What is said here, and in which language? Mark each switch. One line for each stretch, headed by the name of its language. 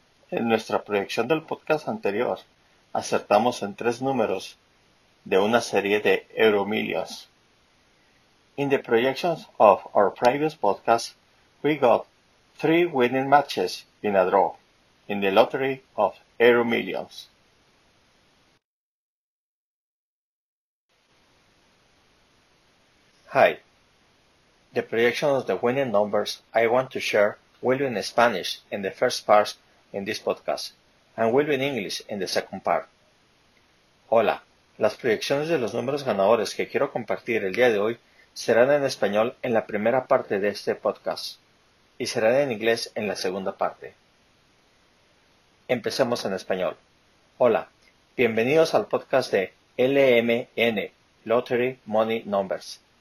Spanish: En nuestra proyección del podcast anterior, acertamos en tres números de una serie de Euromillions.
English: In the projections of our previous podcast, we got three winning matches in a draw in the lottery of Euromillions. Hi. The projection of the winning numbers I want to share will be in Spanish in the first part in this podcast, and will be in English in the second part.
Spanish: Hola, las proyecciones de los números ganadores que quiero compartir el día de hoy serán en español en la primera parte de este podcast y serán en inglés en la segunda parte. Empecemos en español. Hola, bienvenidos al podcast de LMN, Lottery Money Numbers.